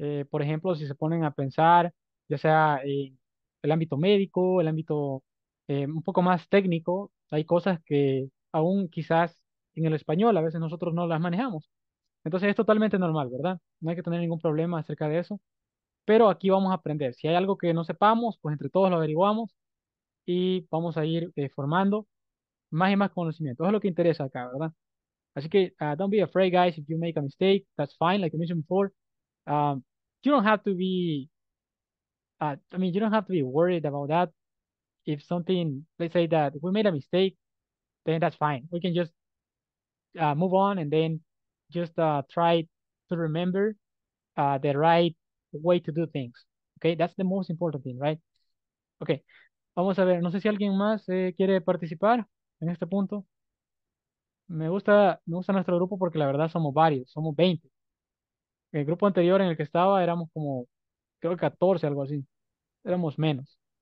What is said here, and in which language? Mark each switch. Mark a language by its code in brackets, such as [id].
[es] Por ejemplo, si se ponen a pensar, ya sea el ámbito médico, el ámbito un poco más técnico, hay cosas que aún quizás en el español a veces nosotros no las manejamos. Entonces es totalmente normal, ¿verdad? No hay que tener ningún problema acerca de eso. Pero aquí vamos a aprender. Si hay algo que no sepamos, pues entre todos lo averiguamos y vamos a ir formando más y más conocimiento. Eso es lo que interesa acá, ¿verdad? [en] Así que don't be afraid, guys, if you make a mistake. That's fine, like I mentioned before. You don't have to be, you don't have to be worried about that. If something, let's say that we made a mistake, then that's fine. We can just move on and then just try to remember the right way to do things. Okay, that's the most important thing, right? Okay, [es] vamos a ver. No sé si alguien más quiere participar en este punto. Me gusta nuestro grupo porque la verdad somos varios, somos 20. El grupo anterior en el que estaba éramos como, creo que 14, algo así. Éramos menos.